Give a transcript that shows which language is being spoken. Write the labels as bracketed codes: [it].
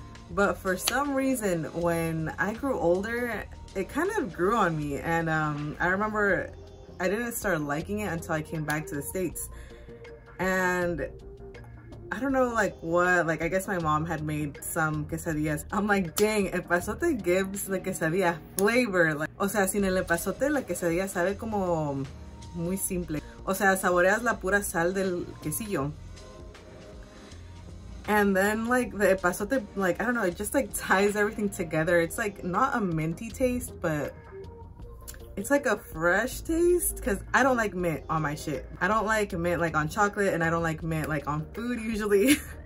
[en] But for some reason, when I grew older, it kind of grew on me. And I remember I didn't start liking it until I came back to the States. And I don't know like what, like I guess my mom had made some quesadillas. I'm like, dang, epazote gives the quesadilla flavor. [es] Like, o sea, sin el epazote, la quesadilla sabe como muy simple. O sea, saboreas la pura sal del quesillo. [en] And then like the epazote, like, I don't know, it just like ties everything together. It's like not a minty taste, but It's like a fresh taste, because I don't like mint on my shit. I don't like mint like on chocolate, and I don't like mint like on food usually.